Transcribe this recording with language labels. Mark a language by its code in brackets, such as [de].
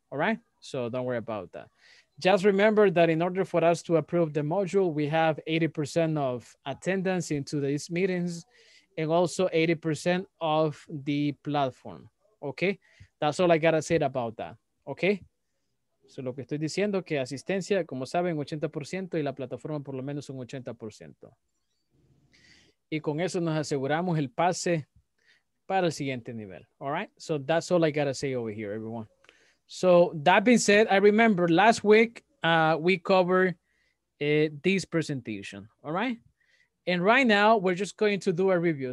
[en] All right, so don't worry about that. Just remember that in order for us to approve the module, we have 80% of attendance into these meetings, and also 80% of the platform. Okay, that's all I gotta say about that. Okay, [es] So, lo que estoy diciendo que asistencia, como saben, 80% y la plataforma por lo menos un 80%. Y con eso nos aseguramos el pase para el siguiente nivel. [en] All right? So that's all I got to say over here, everyone. So that being said, I remember last week we covered this presentation. All right? And right now we're just going to do a review.